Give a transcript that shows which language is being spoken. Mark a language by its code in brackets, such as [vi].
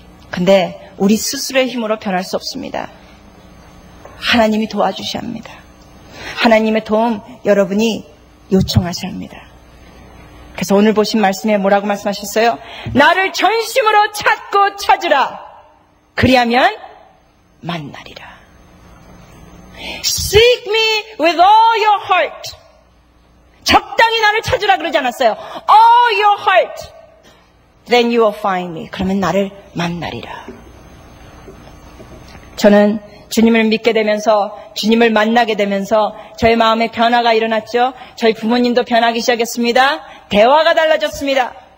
[ko] 근데 우리 스스로의 힘으로 변할 수 없습니다. 하나님이 도와주셔야 합니다. 하나님의 도움 여러분이 요청하셔야 합니다. 그래서 오늘 보신 말씀에 뭐라고 말씀하셨어요? 나를 전심으로 찾고 찾으라. 그리하면 만나리라. [en] Seek me with all your heart. [ko] 적당히 나를 찾으라 그러지 않았어요. [en] All your heart. Then you will find me. [ko] 그러면 나를 만나리라. 저는 주님을 믿게 되면서 주님을 만나게 되면서 저의 마음에 변화가 일어났죠. 저희 부모님도 변하기 시작했습니다. 대화가 달라졌습니다.